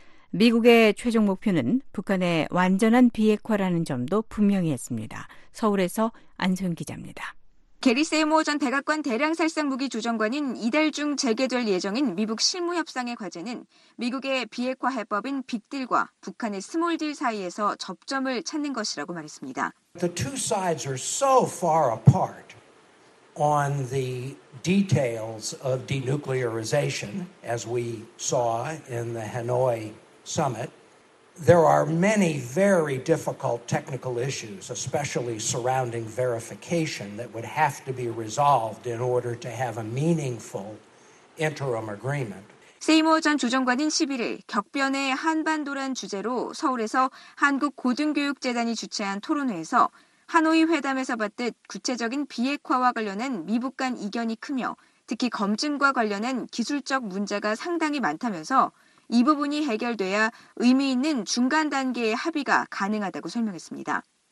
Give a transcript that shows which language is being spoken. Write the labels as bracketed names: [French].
[Korean] 미국의 최종 목표는 북한의 완전한 비핵화라는 점도 분명히 했습니다. 서울에서 안소영 기자입니다. 게리 세이모 전 백악관 대량살상무기 조정관인 이달 중 재개될 예정인 미북 실무협상의 과제는 미국의 비핵화 해법인 빅딜과 북한의 스몰딜 사이에서 접점을 찾는 것이라고 말했습니다. [English] The two sides are so far apart on the details of denuclearization as we saw in the Hanoi summit. There are many very difficult technical issues, especially surrounding verification, that would have to be resolved in order to have a meaningful interim agreement. [Korean] 세이머 전 조정관은 11일 격변의 한반도란 주제로 서울에서 한국 고등교육재단이 주최한 토론회에서 하노이 회담에서 봤듯 구체적인 비핵화와 관련한 미북 간 이견이 크며 특히 검증과 관련한 기술적 문제가 상당히 많다면서 이 부분이 해결돼야 의미 있는 중간 단계의 합의가 가능하다고 설명했습니다.